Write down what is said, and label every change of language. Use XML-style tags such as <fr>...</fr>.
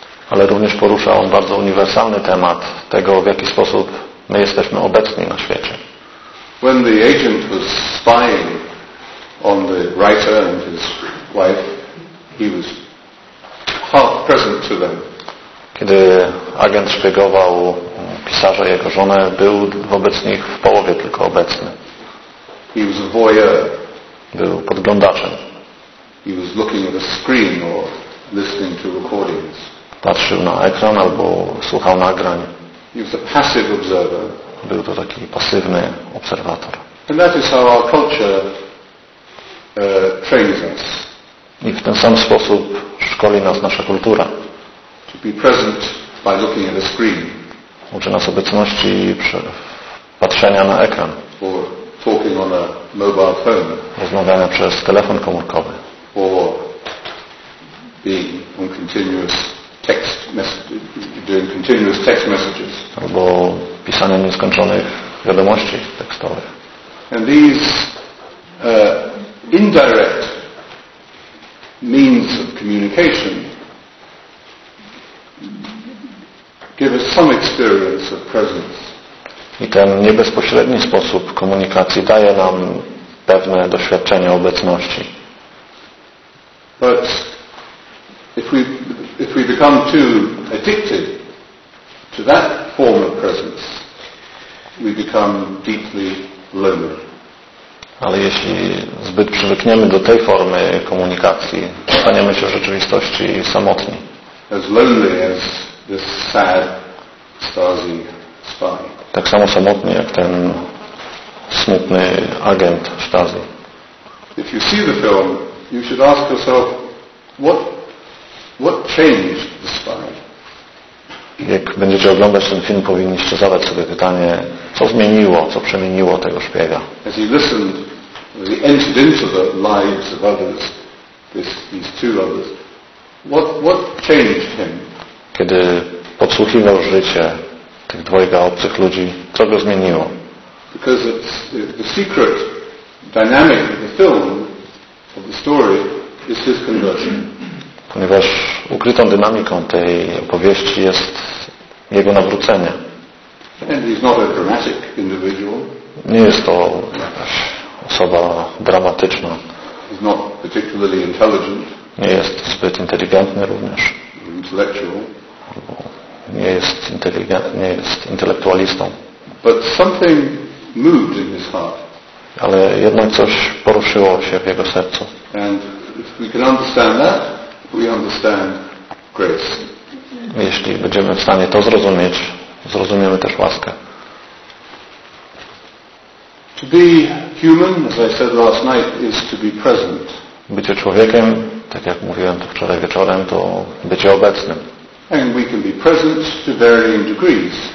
<pl>Ale również porusza on bardzo uniwersalny temat tego, w jaki sposób my jesteśmy obecni na świecie.</pl> <en>When the agent was spying on the writer and his wife, he was half present to them.</en> <pl>Kiedy agent szpiegował pisarza i jego żonę, był wobec nich w połowie tylko obecny.</pl> <en>He was a voyeur.</en> <pl>Był podglądaczem.</pl> <en>He was looking at a screen or listening to recordings.</en> <pl>Patrzył na ekran albo słuchał nagrań.</pl> <en>He was a passive observer.</en> <pl>Był to taki pasywny obserwator.</pl> <en>And that is how our culture trains us.</en> <pl>I w ten sam sposób szkoli nas nasza kultura.</pl> <en>To be present by looking at a screen.</en> <pl>Uczy nas obecności patrzenia na ekran.</pl> <en>Or talking on a mobile phone.</en> <pl>Rozmawiania przez telefon komórkowy.</pl> <en>Or being on continuous text message, doing continuous text messages.</en> <pl>Albo pisania nieskończonych wiadomości tekstowych.</pl> <en>And these indirect means of communication give us some experience of presence.</en> <pl>I ten niebezpośredni sposób komunikacji daje nam pewne doświadczenie obecności.</pl> <en>But if we become too addicted to that form of presence, we become deeply lonely.</en> <pl>Ale jeśli zbyt przywykniemy do tej formy komunikacji, staniemy się w rzeczywistości samotni.</pl> <en>As lonely as this sad Stasi spy.</en> <pl>Tak samo samotni jak ten smutny agent Stasi.</pl> <en>If you see the film, you should ask yourself, what changed the spy?</en> <pl>Jak będziecie oglądać ten film, powinniście zadać sobie pytanie, co zmieniło, co przemieniło tego szpiega.</pl> <en>As he listened, as he entered into the lives of others, these two others, what changed him?</en> <pl>Kiedy podsłuchiwał życie tych dwojga obcych ludzi, co go zmieniło?</pl> <en>Because it's the secret dynamic of the film, of the story, is his conversion.</en> <pl>Ponieważ ukrytą dynamiką tej opowieści jest jego nawrócenie.</pl> <en>And he's not a dramatic individual.</en> <pl>Nie jest to jakaś osoba dramatyczna.</pl> <en>He's not particularly intelligent.</en> <pl>Nie jest zbyt inteligentny również.</pl> <en>Intellectual.</en> <pl>Nie jest intelektualistą.</pl> <en>But something moved in his heart.</en> <pl>Ale jednak coś poruszyło się w jego sercu.</pl> <en>And if we can understand that, we understand grace.</en> <pl>Jeśli będziemy w stanie to zrozumieć, zrozumiemy też łaskę.</pl> <en>To be human, as I said last night, is to be present.</en> <pl>Bycie człowiekiem, tak jak mówiłem to wczoraj wieczorem, to bycie obecnym.</pl> <en>And we can be present to varying degrees.</en>